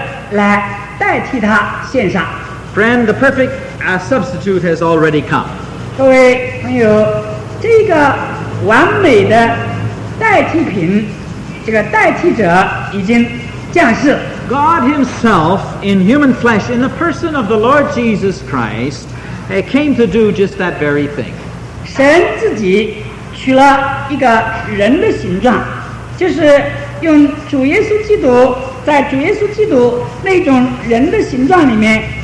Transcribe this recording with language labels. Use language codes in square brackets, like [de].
[zh] 她要想从她自己那个罪恶里面得到释放的话，就必须要有一个无罪的来代替她献上。 [en] Friend, the perfect substitute has already come. [zh] 各位朋友，这个完美的代替品，这个代替者已经降世了。 [en] God himself, in human flesh, in the person of the Lord Jesus Christ, came to do just that very thing. [zh] 神自己取了一个人的形状，就是用主耶稣基督，在主耶稣基督那种人的形状里面